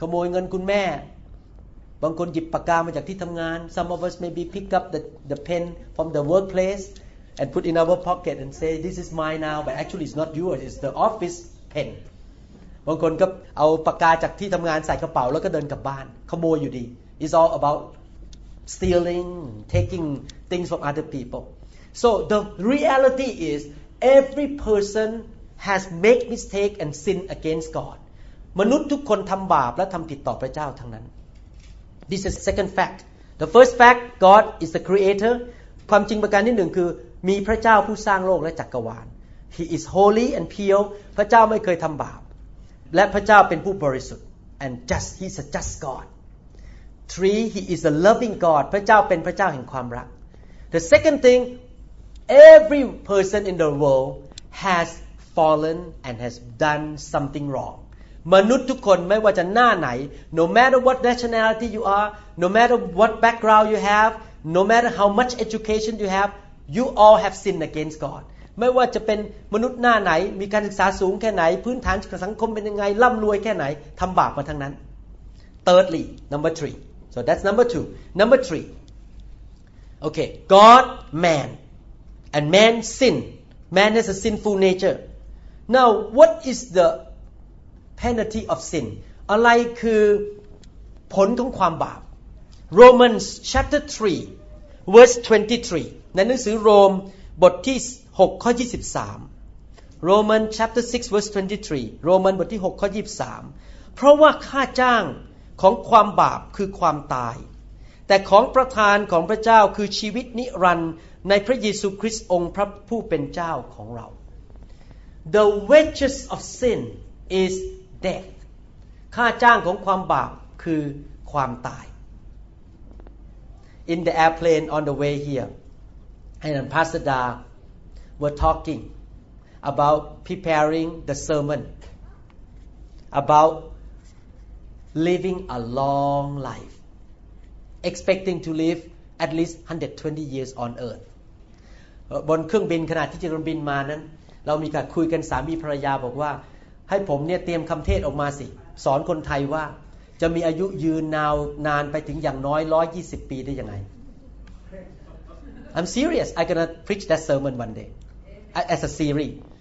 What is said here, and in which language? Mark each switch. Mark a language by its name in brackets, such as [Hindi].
[Thai] เงินคุณแม่บางคนหยิบปากกามาจากที่ทำงาน [English] Some of us maybe pick up the pen from the workplace and put in our pocket and say this is mine now but actually it's not yours it's the office pen [Thai] บางคนก็เอาปากกาจากที่ทำงานใส่กระเป๋าแล้วก็เดินกลับบ้านขโมยอยู่ดี [English] It's all about stealing taking things from other peopleSo the reality is every person has made mistake and sin against God. [Thai] มนุษย์ทุกคนทำบาปและทำผิดต่อพระเจ้าทั้งนั้น [English] This is second fact. The first fact, God is the creator. [Thai] ความจริงประการที่หนึ่งคือมีพระเจ้าผู้สร้างโลกและจักรวาล [English] He is holy and pure. [Thai] พระเจ้าไม่เคยทำบาปและพระเจ้าเป็นผู้บริสุทธิ์ [English] And just, He is a just God. Three, He is a loving God. [Thai] พระเจ้าเป็นพระเจ้าแห่งความรัก [English] The second thingEvery person in the world has fallen and has done something wrong. [Thai] มนุษย์ทุกคนไม่ว่าจะหน้าไหน [English] no matter what nationality you are, no matter what background you have, no matter how much education you have, you all have sinned against God. [Thai] ไม่ว่าจะเป็นมนุษย์หน้าไหนมีการศึกษาสูงแค่ไหนพื้นฐานของสังคมเป็นยังไงร่ำรวยแค่ไหนทำบาปมาทั้งนั้น [English] Thirdly, number three. So that's number two. Number three. Okay, God, man. And man sin. Man has a sinful nature. Now, what is the penalty of sin? [Thai] อะไรคือผลของความบาป [English] Romans chapter 3, verse 23. [Thai] ในหนังสือโรมบทที่6ข้อ23. [English] Romans chapter 6, verse 23. Romans [Thai] บทที่6ข้อ23. เพราะว่าค่าจ้างของความบาปคือความตายแต่ของประทานของพระเจ้าคือชีวิตนิรันดร์ในพระเยซูคริสต์องค์พระผู้เป็นเจ้าของเรา [English] The wages of sin is death [Thai] ค่าจ้างของความบาปคือความตาย [English] In the airplane on the way here and Pastor Da were talking about preparing the sermon about living a long life, expecting to live at least 120 years on earth. [Thai] บนเครื่องบินขณะที่จะบินมานั้นเรามีการคุยกันสามีภรรยาบอกว่าให้ผมเนี่ยเตรียมคำเทศออกมาสิสอนคนไทยว่าจะมีอายุยืนนาวนานไปถึงอย่างน้อย120ปีได้ยังไง [English] I'm serious. I'm gonna preach that sermon one day as a series.